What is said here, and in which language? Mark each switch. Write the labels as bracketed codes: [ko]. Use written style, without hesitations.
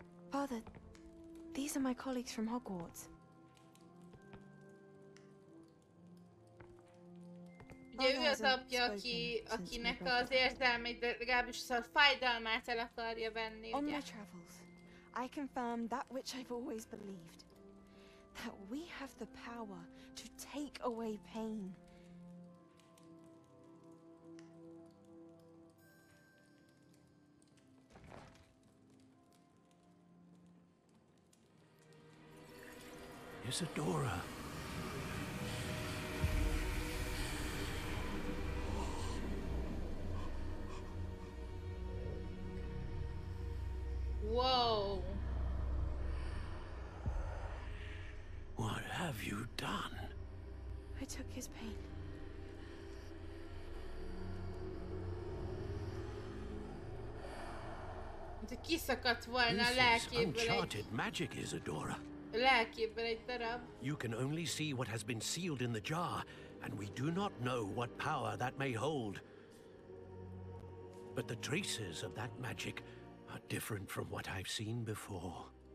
[en] Father, these are my colleagues from Hogwarts. [hu] Ugye ő az apja, akinek az érzelmét, de legalábbis a fájdalmát el akarja venni, ugye? [en] On my travels, I confirm that which I've always believed. That we have the power to take away pain. Isidora. Whoa. What have you done? I took his pain. [hu] De kiszakadt volna a lelkéből. [en] Uncharted magic, Isidora. [hu] Lelkében egy darab. [en] You can only see what has been sealed in the jar, and we do not know what power that may hold. But the traces of that magic are different from what I've seen before.